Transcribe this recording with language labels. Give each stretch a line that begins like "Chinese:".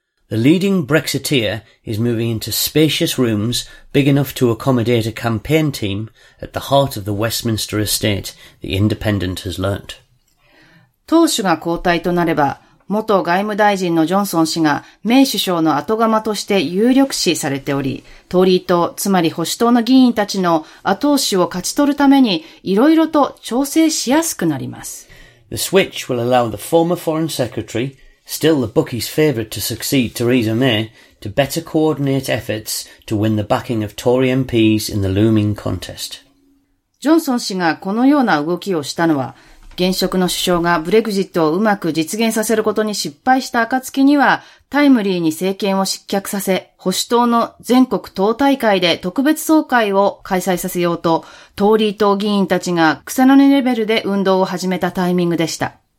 English: The leading Brexiteer is moving into spacious rooms big enough to accommodate a campaign team at the heart of the Westminster estate, the Independent has learnt.
Japanese: 党首が交代となれば、元外務大臣のジョンソン氏がメイ首相の後釜として有力視されており、トリ党、つまり保守党の議員たちの後押しを勝ち取るために、いろいろと調整しやすくなります。
English: The switch will allow the former Foreign Secretary, still the bookie's favourite to succeed Theresa May, to better coordinate efforts to win the backing of Tory MPs in the looming contest.
Japanese: ジョンソン氏がこのような動きをしたのは、現職の首相がブレグジットをうまく実現させることに失敗した暁にはタイムリーに政権を失脚させ、保守党の全国党大会で特別総会を開催させようと、トーリー党議員たちが草の根レベルで運動を始めたタイミングでした。